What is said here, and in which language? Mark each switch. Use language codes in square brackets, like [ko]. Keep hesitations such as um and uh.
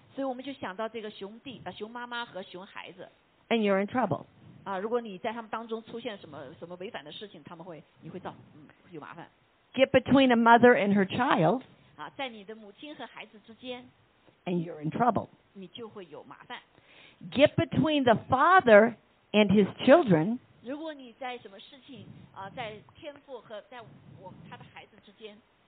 [zh] 所以我们就想到这个熊弟啊、呃，熊妈妈和熊孩子。 [en] And you're in trouble。 [zh] 啊，如果你在他们当中出现什么什么违反的事情，他们会你会造嗯有麻烦。 [en] Get between a mother and her child。 [zh] 啊，在你的母亲和孩子之间。 [en] And you're in trouble。 [zh] 你就会有麻烦。 [en] Get between the father and his children。 [zh] 如果你在什么事情啊、呃，在天赋和在我他的孩子之间